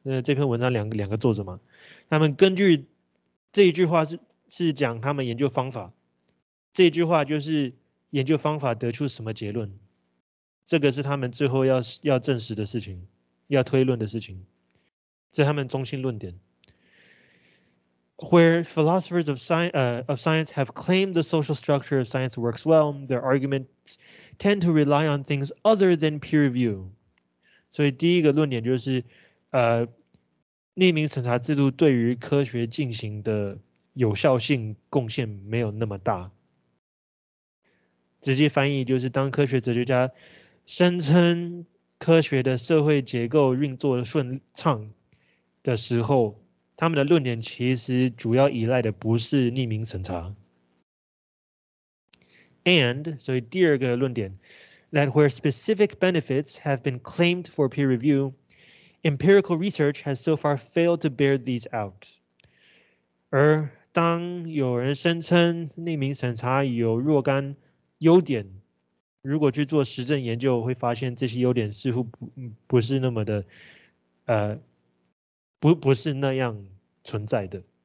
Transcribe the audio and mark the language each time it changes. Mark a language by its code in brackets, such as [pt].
[zh] 这篇文章两个作者嘛，他们根据这一句话是讲他们研究方法，这一句话就是研究方法得出什么结论，这个是他们最后要证实的事情，要推论的事情，这是他们中心论点。 [en] Where philosophers of science have claimed the social structure of science works well, their arguments tend to rely on things other than peer review。 [zh] 所以第一个论点就是，匿名审查制度对于科学进行的有效性贡献没有那么大。直接翻译就是，当科学哲学家声称科学的社会结构运作顺畅的时候，他们的论点其实主要依赖的不是匿名审查。 And， 所以第二个论点。 [en] That where specific benefits have been claimed for peer review, empirical research has so far failed to bear these out. [zh] 而当有人声称匿名审查有若干优点，如果去做实证研究，会发现这些优点似乎不是那么的，不是那样存在的。